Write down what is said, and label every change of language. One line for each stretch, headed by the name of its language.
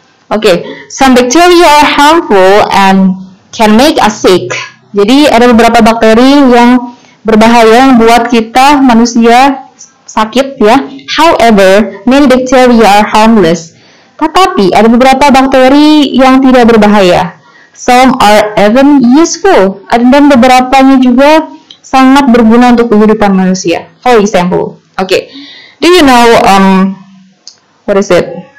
English: Okay, some bacteria are harmful and can make us sick.
Indonesian: Jadi ada beberapa bakteri yang berbahaya yang buat kita manusia sakit, ya.
English: However, many bacteria are harmless.
Indonesian: Tetapi ada beberapa bakteri yang tidak berbahaya.
English: Some are even useful.
Indonesian: Dan beberapanya juga sangat berguna untuk kehidupan manusia.
English: For example, okay, do you know what is it?